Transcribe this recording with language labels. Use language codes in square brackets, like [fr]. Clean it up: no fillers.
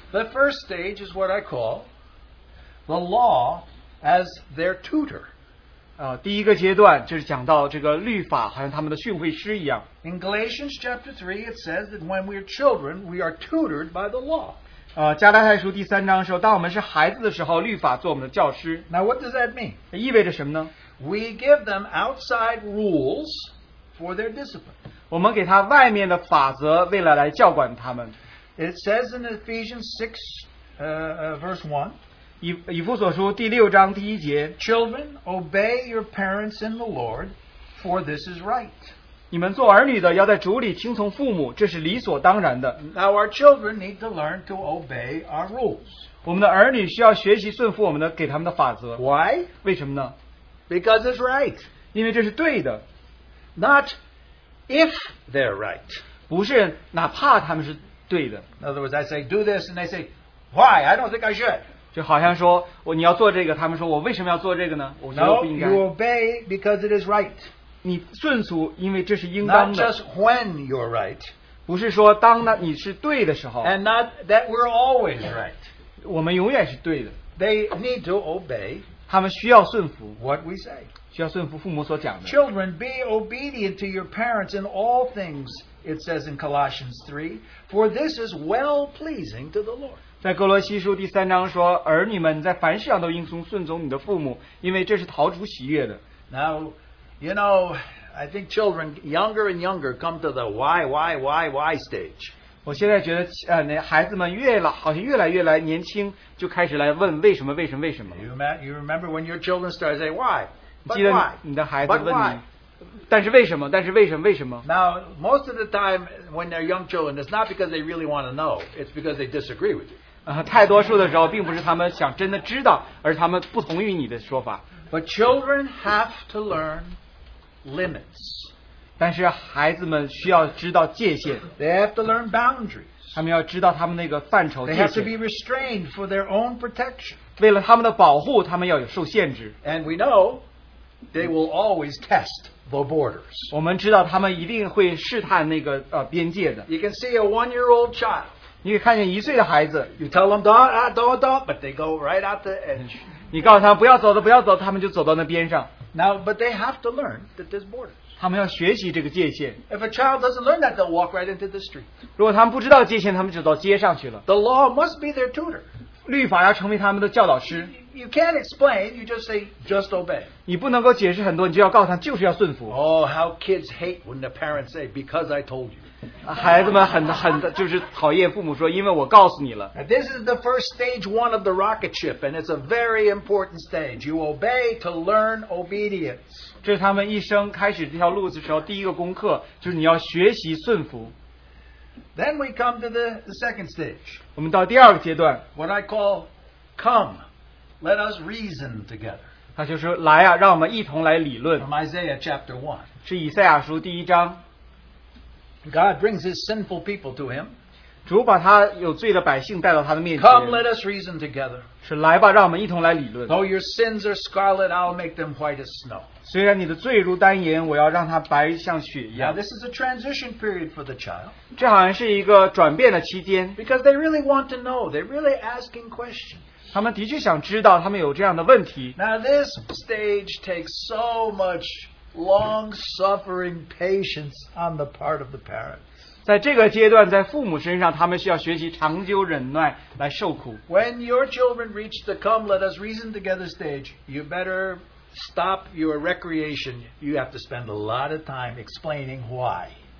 [en] The first stage is what I call the law as their tutor. [zh] 第一个阶段就是讲到这个律法好像他们的训诲师一样。 [en] In Galatians chapter 3, it says that when we are children, we are tutored by the law. [zh] 加拉太书第三章说，当我们是孩子的时候，律法做我们的教师。 [en] Now what does that mean? [zh] 意味着什么呢？ [en] We give them outside rules for their discipline. [zh] 我们给他外面的法则，为了来教管他们。 [en] It says in Ephesians 6, verse 1. [zh] 以弗所书第六章第一节。 [en] Children, obey your parents in the Lord, for this is right. [zh] 你们做儿女的要在主里听从父母，这是理所当然的。 [en] Now our children need to learn to obey our rules. [zh] 我们的儿女需要学习顺服我们的给他们的法则。 [en] Why? [zh] 为什么呢？ [en] Because it's right. [zh] 因为这是对的。 [en] Not if they're right. [zh] 不是哪怕他们是对的。 [en] In other words, I say do this and they say, why? I don't think I should. [zh] 就好像说你要做这个，他们说我为什么要做这个呢？ [en] No, you obey because it is right. [zh] 你顺从，因为这是应当的。 [en] Not just when you're right. [zh] 不是说当你是对的时候。 [en] And not that we're always right. [zh] 我们永远是对的。 [en] They need to obey. [zh] 他们需要顺服。 [en] What we say. [zh] 需要顺服父母所讲的。 [en] Children, be obedient to your parents in all things, it says in Colossians 3, for this is well-pleasing to the Lord. [zh] 在哥罗西书第三章说, 儿女们在凡事上都应从顺从你的父母, 因为这是陶主喜悦的。 [en] Now, you know, I think children younger and younger come to the why stage. [zh] 我现在觉得孩子们越来越年轻就开始来问为什么。 [en] You remember when your children start to say why? But [zh] 记得你的孩子问你, [en] but why? [zh] 但是为什么? [en] Now, most of the time when they're young children, it's not because they really want to know. It's because they disagree with you. [zh] 太多数的时候并不是他们想真的知道, 而是他们不同意你的说法。 [en] But children have to learn limits. [zh] 但是孩子们需要知道界限。 [en] They have to learn boundaries. [zh] 他们要知道他们那个范畴, [en] they have to be restrained for their own protection. [zh] 为了他们的保护, 他们要有受限制。 [en] And we know they will always test the borders. [zh] 我们知道他们一定会试探那个, 边界的。 [en] You can see a one-year-old child. [zh] 你可以看见一岁的孩子。 [en] You tell them, don't, but they go right out the edge. [zh] 你告诉他们不要走的, 他们就走到那边上。 [en] Now, but they have to learn that there's borders. [zh] 他们要学习这个界限。 [en] If a child doesn't learn that, they'll walk right into the street. [zh] 如果他们不知道界限, 他们就走到街上去了。 [en] The law must be their tutor. [zh] 律法要成为他们的教导师。 [en] you can't explain, you just say, just obey. [zh] 你不能够解释很多, 你就要告诉他, 就是要顺服。 [en] Oh, how kids hate when the parents say, because I told you. [zh] 孩子们很就是讨厌父母说因为我告诉你了 [en] Now, this is the first stage one of the rocket ship and it's a very important stage you obey to learn obedience [zh] 这是他们一生开始这条路的时候第一个功课就是你要学习顺服 [en] Then we come to the second stage [zh] 我们到第二个阶段 [en] What I call come let us reason together [zh] 他就说来啊 让我们一同来理论 [en] From Isaiah chapter 1 [zh] 是以赛亚书第一章 [en] God brings his sinful people to him. Come, let us reason together. [zh] 是来吧, [en] Though your sins are scarlet, I'll make them white as snow. [zh] 虽然你的罪如丹言, [en] now, this is a transition period for the child. Because they really want to know, they're really asking questions. [zh] 他们的确想知道, [en] now, this stage takes so much long-suffering patience on the part of the parents. [zh] 在这个阶段, 在父母身上, 他们需要学习长久忍耐, [en] when your children reach the come, let us reason together stage, you better stop your recreation. You have to spend a lot of time explaining why.